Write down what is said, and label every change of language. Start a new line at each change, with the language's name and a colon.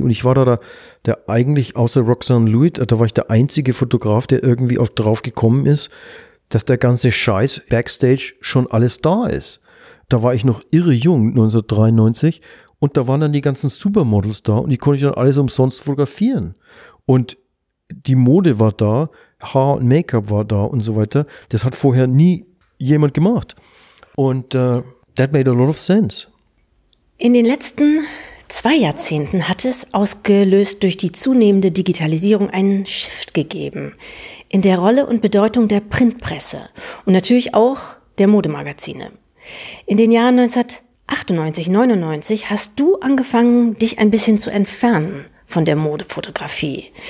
German: Und ich war da der eigentlich, außer Roxanne Lloyd, da war ich der einzige Fotograf, der irgendwie auch drauf gekommen ist, dass der ganze Scheiß Backstage schon alles da ist. Da war ich noch irre jung, 1993. Und da waren dann die ganzen Supermodels da und die konnte ich dann alles umsonst fotografieren. Und die Mode war da, Haar und Make-up war da und so weiter. Das hat vorher nie jemand gemacht.
English: Und that made a lot of sense.
German: In den letzten 2 Jahrzehnten hat es, ausgelöst durch die zunehmende Digitalisierung, einen Shift gegeben in der Rolle und Bedeutung der Printpresse und natürlich auch der Modemagazine. In den Jahren 1998, 99 hast du angefangen, dich ein bisschen zu entfernen von der Modefotografie.